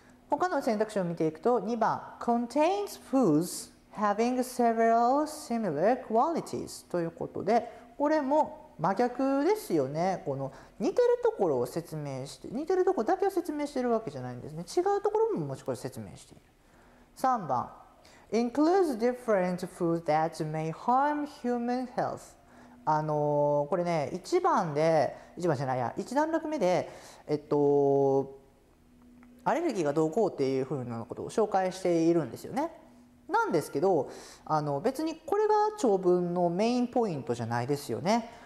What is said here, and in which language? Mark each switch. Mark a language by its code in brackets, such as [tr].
[ja] 他の選択肢を見ていくと、2番 [en] contains foods having several similar qualities [ja] ということで、これも真逆ですよね。この似てるところを説明して、似てるところだけを説明してるわけじゃないんですね。違うところももちろん説明している。 [en] 3番includes different foods that may harm human health。 [ja] これね、1段落目でアレルギーがどうこうっていうふうなことを紹介しているんですよね。なんですけど、別にこれが長文のメインポイントじゃないですよね。